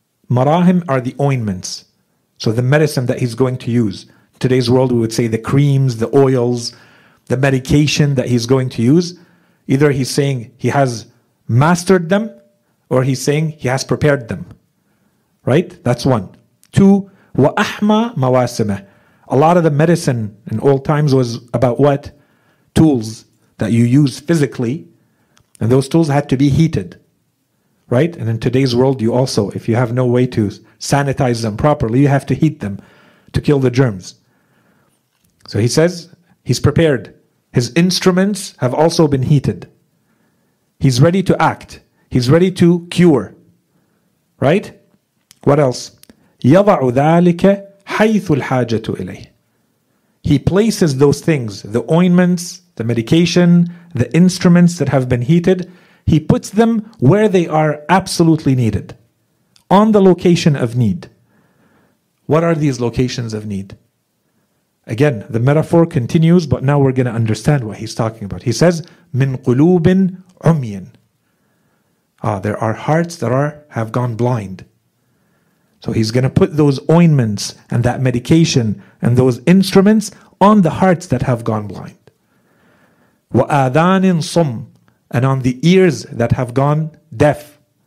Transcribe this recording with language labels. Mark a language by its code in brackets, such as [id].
[en] مَرَاهِم are the ointments. So the medicine that he's going to use. In today's world, we would say the creams, the oils, the medication that he's going to use. Either he's saying he has mastered them, or he's saying he has prepared them. Right? That's one. Two, [ar] وَأَحْمَى مَوَاسِمَهِ. [en] A lot of the medicine in old times was about what? Tools that you use physically. And those tools had to be heated. Right? And in today's world, you also, if you have no way to sanitize them properly, you have to heat them to kill the germs. So he says he's prepared. His instruments have also been heated. He's ready to act. He's ready to cure. Right? What else? [ar] يَضَعُ ذَٰلِكَ حَيْثُ الْحَاجَةُ إِلَيْهِ. [en] He places those things, the ointments, the medication, the instruments that have been heated, he puts them where they are absolutely needed, on the location of need. What are these locations of need? Again, the metaphor continues, but now we're going to understand what he's talking about. He says, [ar] مِنْ قُلُوبٍ عُمْيٍ. [en] There are hearts that have gone blind. So he's going to put those ointments and that medication and those instruments on the hearts that have gone blind. [ar] وَآذَانٍ صُمْ. [en] And on the ears that have gone deaf.